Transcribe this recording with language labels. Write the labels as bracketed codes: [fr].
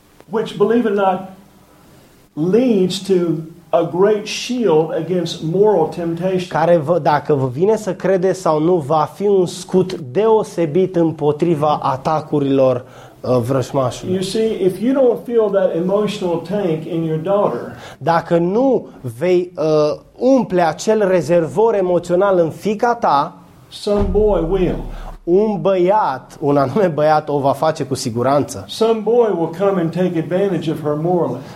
[en] Which believe it or not leads to a great shield against moral temptation. [ro] Care dacă vă vine să credeți sau nu, va fi un scut deosebit împotriva atacurilor vrășmașului. [en] You see, if you don't feel that emotional tank in your daughter, [ro] dacă nu vei umple acel rezervor emoțional în fiica ta, [en] some boy will. [ro] Un băiat, un anume băiat, o va face cu siguranță. [en] Some boy will come and take advantage of her morally.